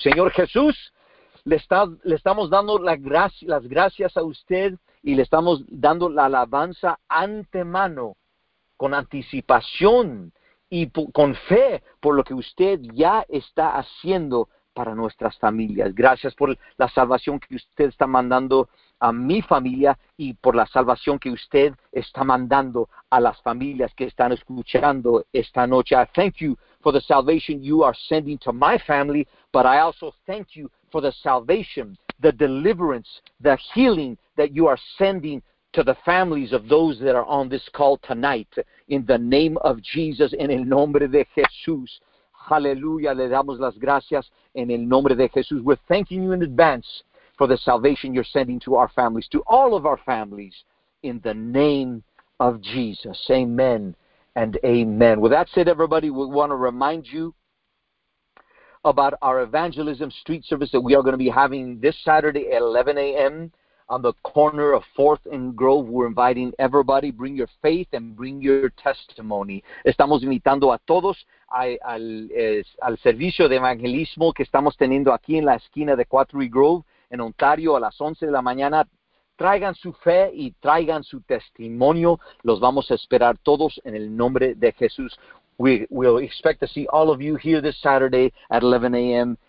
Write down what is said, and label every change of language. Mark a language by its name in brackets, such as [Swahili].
[Spanish] Señor Jesús, le estamos dando las gracias a usted y le estamos dando la alabanza antemano, con anticipación y con fe por lo que usted ya está haciendo para nuestras familias. Gracias por la salvación que usted está mandando a mi familia y por la salvación que usted está mandando a las familias que están escuchando esta noche. [English] I thank you for the salvation you are sending to my family, but I also thank you for the salvation, the deliverance, the healing that you are sending to the families of those that are on this call tonight. In the name of Jesus, [Spanish] en el nombre de Jesús. Hallelujah, le damos las gracias en el nombre de Jesús. [English] We're thanking you in advance for the salvation you're sending to our families, to all of our families, in the name of Jesus. Amen and amen. Well, that's it, everybody. We want to remind you about our evangelism street service that we are going to be having this Saturday at 11 a.m. on the corner of 4th and Grove. We're inviting everybody, bring your faith and bring your testimony. [Spanish] Estamos invitando a todos al servicio de evangelismo que estamos teniendo aquí en la esquina de 4th and Grove en Ontario a las 11 de la mañana. Traigan su fe y traigan su testimonio. Los vamos a esperar todos en el nombre de Jesús. [English] We will expect to see all of you here this Saturday at 11 a.m.